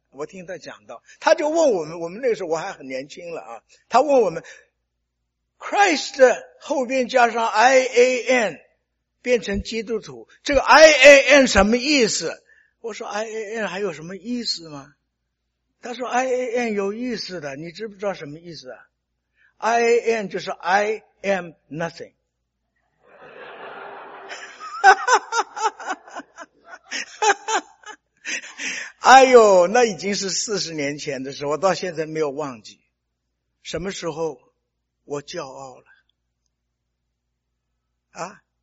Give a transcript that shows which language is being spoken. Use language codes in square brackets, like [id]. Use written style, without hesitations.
[zh] 我听他讲到，他就问我们，我们那个时候我还很年轻了啊，他问我们 Christ 的后面加上 IAN 变成基督徒，这个 IAN 什么意思？我说 IAN 还有什么意思吗？他说 IAN 有意思的，你知不知道什么意思啊？ [en] IAN [zh] 就是 [en] I am nothing。 [zh] 哈哈哈哈哎呦，那已经是40年前的事，我到现在没有忘记。什么时候我骄傲了啊？